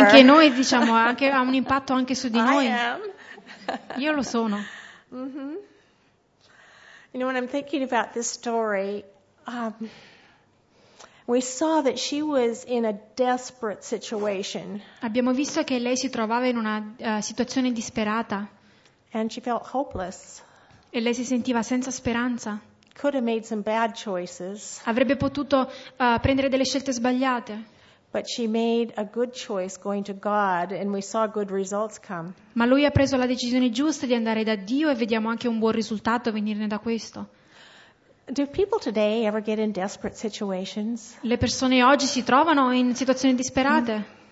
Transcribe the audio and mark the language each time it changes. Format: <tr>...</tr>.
<it>Anche noi diciamo anche, ha un impatto anche su di noi.</it> <en>I am.</en> <it>Io lo sono.</it> <en>Mm-hmm. You know, when I'm thinking about this story, we saw that she was in a desperate situation.</en> <it>Abbiamo visto che lei si trovava in una situazione disperata.</it> <en>And she felt hopeless.</en> <it>E lei si sentiva senza speranza.</it> <en>Could have made some bad choices.</en> <it>Avrebbe potuto prendere delle scelte sbagliate.</it> <en>But she made a good choice going to God, and we saw good results come.</en> <it>Ma lui ha preso la decisione giusta di andare da Dio e vediamo anche un buon risultato venirne da questo.</it> <en>Do people today ever get in desperate situations?</en> <it>Le persone oggi si trovano in situazioni disperate?</it>